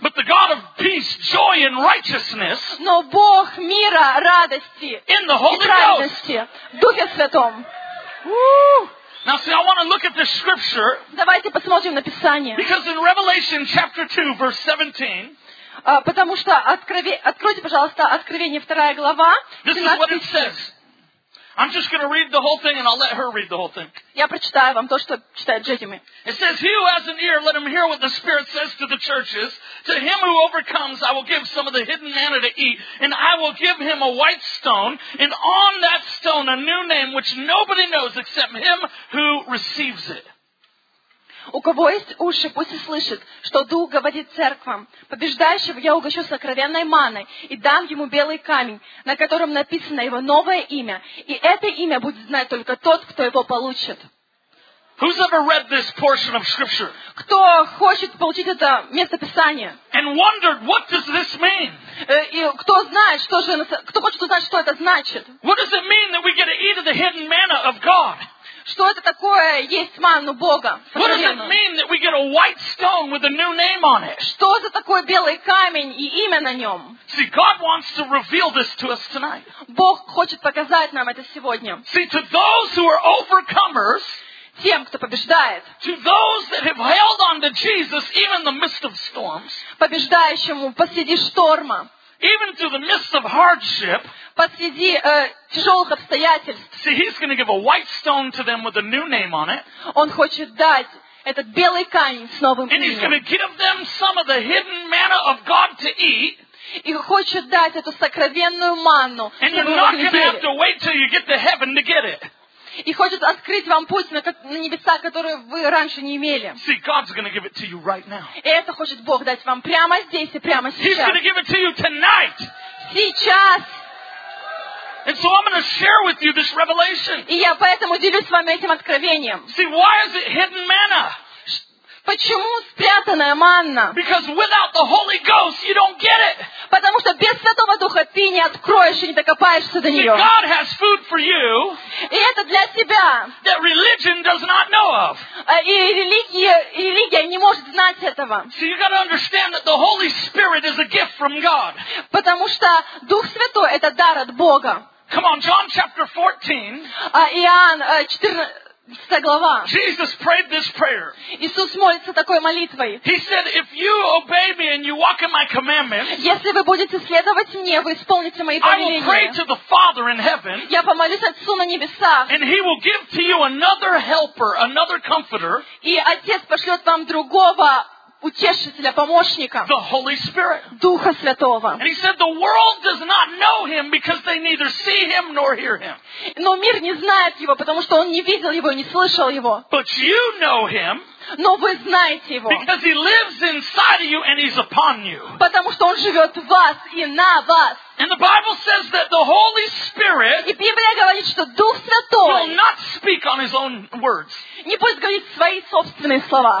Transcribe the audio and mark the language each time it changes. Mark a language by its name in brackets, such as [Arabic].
[English] But the God of peace, joy, and righteousness. [Russian] Но Бог мира, радости и праведности в Духе Святом. [English] Now see, I want to look at this scripture. [Russian] Давайте посмотрим на Писание. [English] Because in Revelation chapter 2, verse 17. [Russian] Потому что откройте, пожалуйста, Откровение 2 глава. [English] This is what it says. I'm just going to read the whole thing, and I'll let her read the whole thing. [Russian] Я прочитаю вам то, что читает Джереми. [English] It says, "He who has an ear, let him hear what the Spirit says to the churches. To him who overcomes, I will give some of the hidden manna to eat, and I will give him a white stone, and on that stone a new name which nobody knows except him who receives it." [Russian] У кого есть уши, пусть и слышит, что Дух говорит церквам. Побеждающего я угощу сокровенной маной и дам ему белый камень, на котором написано его новое имя. И это имя будет знать только тот, кто его получит. [English] Who's ever read this portion of scripture? [Russian] Кто хочет получить это место Писания? [English] And wondered, what does this mean? [Russian] И кто знает, что же, кто хочет узнать, что это значит? [English] What does it mean that we get to eat of the hidden manna of God? [Russian] Что это такое есть манну Бога? [English] What does it mean that we get a white stone with a new name on it? [Russian] Что это такое белый камень и имя на нем? [English] See, God wants to reveal this to us tonight. [Russian] Бог хочет показать нам это сегодня. [English] See, to those who are overcomers, [Russian] тем, кто побеждает, [English] to those that have held on to Jesus even in the midst of storms, [Russian] побеждающему посреди шторма, [English] even through the midst of hardship, [Russian] посреди тяжелых обстоятельств. [English] See, he's going to give a white stone to them with a new name on it. [Russian] Он хочет дать этот белый камень с новым именем. [English] And he's going to give them some of the hidden manna of God to eat. [Russian] И хочет дать эту сокровенную манну. [English] And you're not going to have to wait till you get to heaven to get it. [Russian] И хочет открыть вам путь на небеса, которые вы раньше не имели. [English] See, God's going to give it to you right now. [Russian] И это хочет Бог дать вам прямо здесь и прямо сейчас. [English] He's going to give it to you tonight. [Russian] Сейчас. [English] And so I'm going to share with you this revelation. [Russian] И я поэтому делюсь с вами этим откровением. [English] See, why is it hidden manna? [Russian] Почему спрятанная манна? [English] Because without the Holy Ghost, you don't get it. [Russian] Потому что без Святого Духа ты не откроешь и не докопаешься до нее. [English] See, God has food for you. [Russian] И это для тебя. [English] That religion does not know of. [Russian] И религия не может знать этого. [English] So you got to understand that the Holy Spirit is a gift from God. [Russian] Потому что Дух Святой это дар от Бога. [English] Come on, John chapter 14. [Russian] Иоанн 14. [English] Jesus prayed this prayer. [Russian] Иисус молится такой молитвой. [English] He said, "If you obey me and you walk in my commandments, [Russian] если вы будете следовать мне, вы исполните мои повеления. [English] I will pray to the Father in heaven. [Russian] Я помолюсь Отцу на небесах. [English] And He will give to you another Helper, another Comforter. [Russian] И Отец пошлет вам другого утешителя, помощника. [English] The Holy Spirit. [Russian] Духа Святого. [English] And He said, "The world does not know Him because they neither see Him nor hear Him." [Russian] Но мир не знает его, потому что он не видел его и не слышал его. [English] But you know Him. [Russian] Но вы знаете его. [English] Because He lives inside of you and He's upon you. [Russian] Потому что он живет в вас и на вас. [English] And the Bible says that the Holy Spirit. [Russian] И Библия говорит, что Дух Святой. [English] Will not speak on His own words. [Russian] Не будет говорить свои собственные слова.